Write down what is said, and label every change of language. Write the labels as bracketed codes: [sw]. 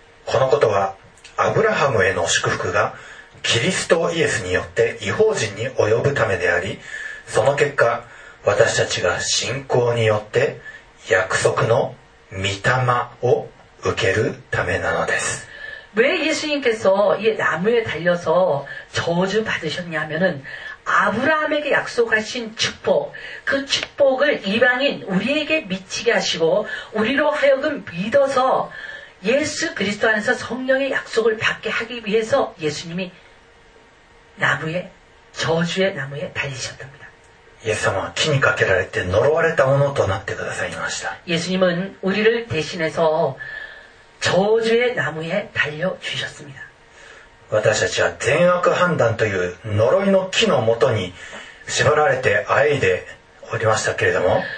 [ja] このことはアブラハムへの祝福がキリストイエスによって異邦人に及ぶためであり、その結果。私たちが信仰によって約束の御霊を受けるためなのです。 [ko] 왜 예수님께서 이 나무에 달려서 저주 받으셨냐면은 아브라함에게 약속하신 축복, 그 축복을 이방인 우리에게 미치게 하시고 우리로 하여금 믿어서 예수 그리스도 안에서 성령의 약속을 받게 하기 위해서 예수님이 나무에 저주의 나무에 달리셨답니다 [ja] イエス様は木にかけられて呪われたものとなってくださいました [ko] イエス님은우리를대신해서저주의나무에달려주셨습니다 [ja] 私たちは善悪判断という呪いの木のもとに縛られてあえいでおりましたけれども